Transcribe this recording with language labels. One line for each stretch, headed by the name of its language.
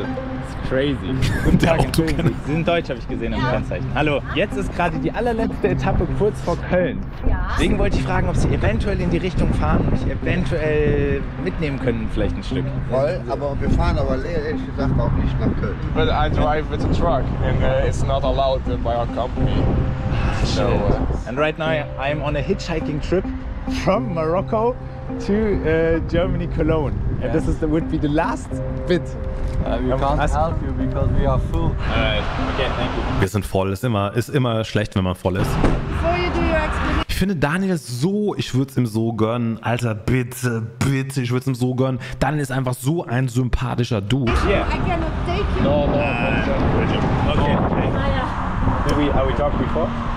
German: Das ist crazy. Guten Tag, Sie sind deutsch, habe ich gesehen im Kennzeichen. Hallo, jetzt ist gerade die allerletzte Etappe kurz vor Köln. Deswegen wollte ich fragen, ob Sie eventuell in die Richtung fahren und mich eventuell mitnehmen können, vielleicht ein Stück. Voll, aber wir fahren aber ehrlich gesagt auch nicht nach Köln.
English: But I drive with a truck and it's not allowed by our company. So, and right now I'm on a hitchhiking trip from Morocco to Germany, Cologne. And this is would be the last bit. We can't help you because we are full. Okay, thank you.
German: Wir sind voll. Ist immer schlecht, wenn man voll ist. Ich finde Daniel so, ich würde es ihm so gönnen. Alter, bitte, ich würde es ihm so gönnen. Daniel ist einfach so ein sympathischer Dude.
English: Yeah. I cannot take you. No. Okay. Have we talked before?